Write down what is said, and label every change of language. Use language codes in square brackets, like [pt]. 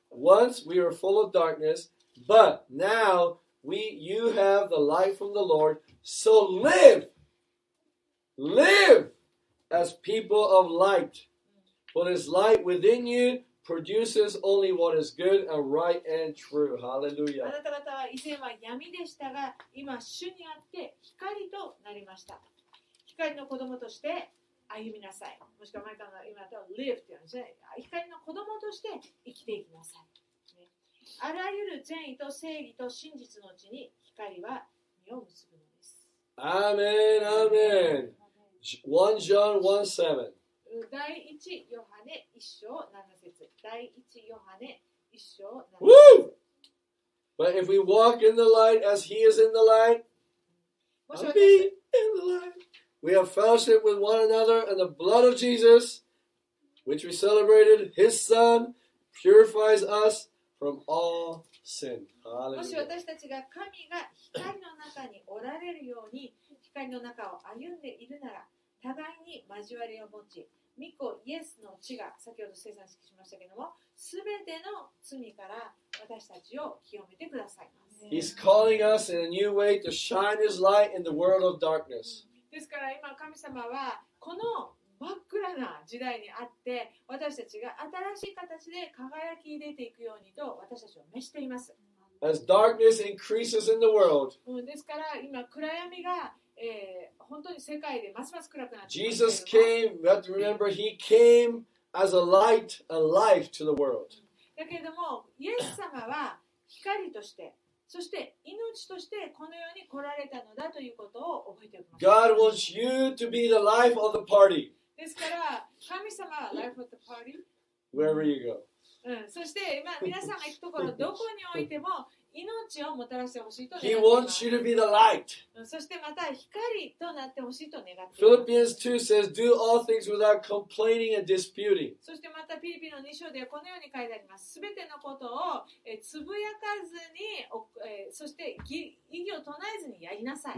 [en] Once we were full of darkness,But now you have the light from the Lord, so live! Live as people of light. For this light within you produces only what is good and right and true. Hallelujah. [ja] あなた方は以前は闇でしたが、今主にあって光となりました。光の子供として歩みなさい。もしくは前から今と live って言うんですね。光の子供として生きていきなさい。あらゆる善意と正義と真実のうちに光は身を結ぶのです。アーメン、アーメン。1 John 1:7。第一ヨハネ一章七節。第一ヨハネ一章七節。Woo! [en] But if we walk in the light as He is in the light, I'll be in the light. We have fellowship with one another, and the blood of Jesus, which we celebrated, His Son, purifies us. From all sin. [ja] もし私たちが神が光の中におられるように光の中を歩んでいるなら互いに交わりを持ち御子イエスの血が先ほど聖餐式しましたけれども全ての罪から私たちを清めてください [en] He's calling us in a new way to shine His light in the world of darkness. [ja] ですから今神様はこの真っ暗な時代にあって私たちが新しい形で輝き出ていくようにと私たちを召しています。 [en] As darkness increases in the world, [ja] ですから今暗闇が、本当に世界でますます暗くなっています。 [en] Jesus came, we have to remember, He came as a light, a life to the world. [ja] だけれども、イエス様は光として、そして命としてこの世に来られたのだということを覚えておきます。 [en] God wants you to be the life of the party. [ja] ですから神様は [en] Life of the Party Wherever you go、 [ja] うん、そして今皆さんが行くところどこにおいても命をもたらしてほしいと願っています [en] He wants you to be the light、 [ja] うん、そしてまた光となってほしいと願っています [en] Philippians 2 says Do all things without complaining and disputing [ja] そしてまたフィリピンの2章ではこのように書いてありますすべてのことをつぶやかずにそして異議を唱えずにやりなさい